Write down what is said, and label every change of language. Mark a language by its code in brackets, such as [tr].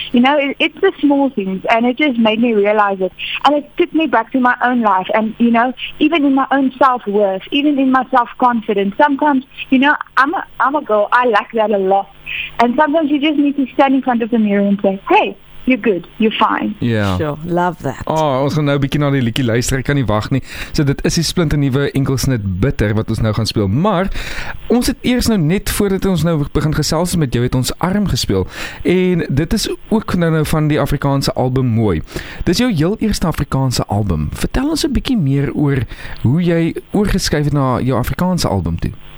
[en] You know, it's the small things, and it just made me realize it. And it took me back to my own life, and, you know, even in my own self-worth, even in my self-confidence, sometimes, you know, I'm a girl, I lack that a lot. And sometimes you just need to stand in front of the mirror and say, hey, you're good, you're fine. Yeah. Sure, love that. [af] Oh, ons gaan nou bietjie na die liedjie luister, ek kan nie wag nie. So dit is die splinter nuwe enkelsnit Bitter, wat ons nou gaan speel. Maar, ons het eers nou net voordat ons nou begin gesels met jou, het ons Arm gespeel. En dit is ook nou van die Afrikaanse album Mooi. Dit is jou heel eerste Afrikaanse album. Vertel ons een bietjie meer oor hoe jy oorgeskuif het na jou Afrikaanse album toe.